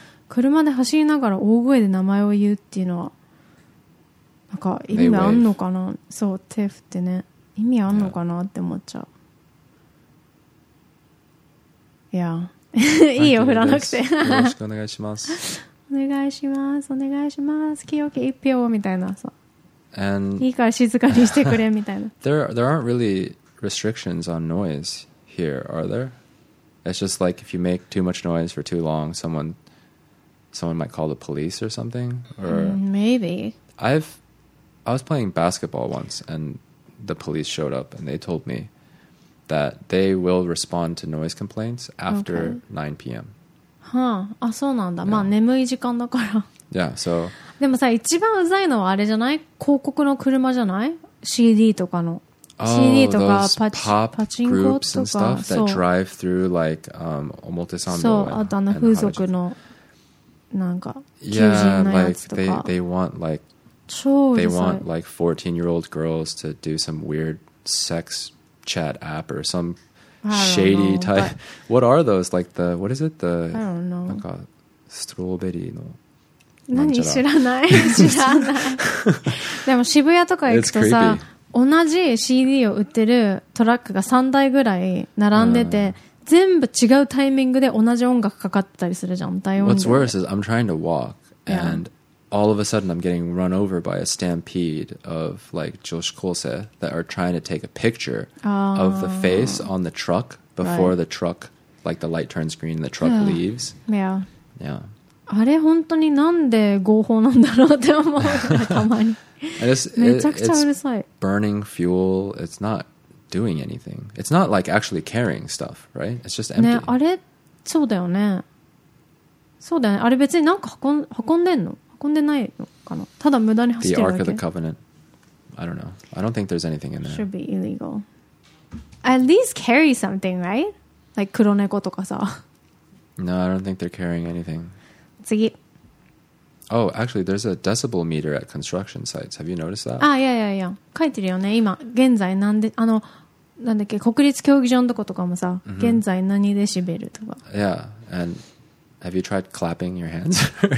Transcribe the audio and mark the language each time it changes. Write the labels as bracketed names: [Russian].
[Japanese] 車で走りながら大声で名前を言うっていうのはなんか意味あんのかなそう手振ってね意味あんのかなって思っちゃういやいいよ振らなくてよろしくお願いしますお願いします。お願いします。清き一票みたいなさ。 [English] And、 [Japanese] いいから静かにしてくれみたいな。 [English] there aren't really restrictions on noise here, are there? It's just like if you make too much noise for too long, someone might call the police or something? Or... Maybe. I was playing basketball once and the police showed up and they told me that they will respond to noise complaints after 9 p.m. [Japanese] はあ、あそうなんだ、yeah. まあ眠い時間だから [English] yeah, so, [Japanese] でもさ一番うざいのはあれじゃない広告の車じゃない CD とかの、 [English] oh, [Japanese] CD とかパチンコとか [English] stuff that drive through like, 表参道 [Japanese] そうあとあの風俗のなんか求人のやつとか [English] yeah, like, they want like [Japanese] 超うるさい [English] they want like 14 year old girls to do some weird sex chat app or somethingShady know, type. What are those? Like the, what is it? The, I don't know. [Japanese] なんか strawberry の何知らない知らないでも渋谷とか行くとさ同じ CD を売ってるトラックが3台ぐらい並んでて、全部違うタイミングで同じ音楽かかってたりするじゃん。台音で。 [English] What's worse is I'm trying to walk and、yeah. all of a sudden I'm getting run over by a stampede of like 女子高生 that are trying to take a picture、 oh. of the face on the truck before、right. the truck, like the light turns green and the truck、 yeah. leaves. Yeah. Yeah. [Japanese] あれ本当になんで合法なんだろうって思うたまにめちゃくちゃうるさい [English] It's burning fuel It's not doing anything It's not like actually carrying stuff, right? It's just empty [Japanese] ねあれそうだよねそうだよね。あれ別になんか運んでんの？運んでないのかな？ただ無駄に走ってるだけ。 [English] The Ark of the Covenant. I don't know. I don't think there's anything in there. Should be illegal. At least carry something, right? [Japanese] Like 黒猫とかさ。 [English] No, I don't think they're carrying anything. [Japanese] 次。 [English] Oh, actually, there's a decibel meter at construction sites. Have you noticed that? Ah, yeah, yeah, yeah. [Japanese] 書いてるよね。今現在なんで、あの、なんだっけ、国立競技場のとことかもさ、mm-hmm. 現在何デシベルとか。 [English] Yeah, and have you tried clapping your hands?